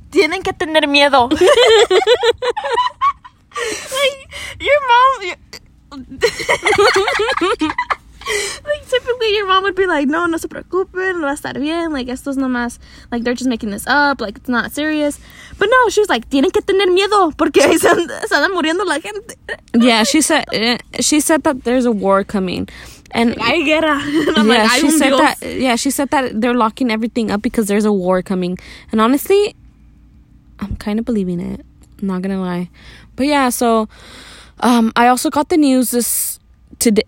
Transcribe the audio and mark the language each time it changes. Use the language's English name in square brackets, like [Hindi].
[Spanish] Tienen que tener miedo. [English] Like, your mom... Like, typically your mom would be like, [Spanish] no, no se preocupen, va a estar bien, [English] like, [Spanish] estos nomás, [English] like, they're just making this up, like, it's not serious. But no, she was like, [Spanish] tienen que tener miedo porque están muriendo la gente. [English] Yeah, she said that there's a war coming, and I get her. She said that they're locking everything up because there's a war coming, and honestly, I'm kind of believing it, not gonna lie. But yeah, so I also got the news today.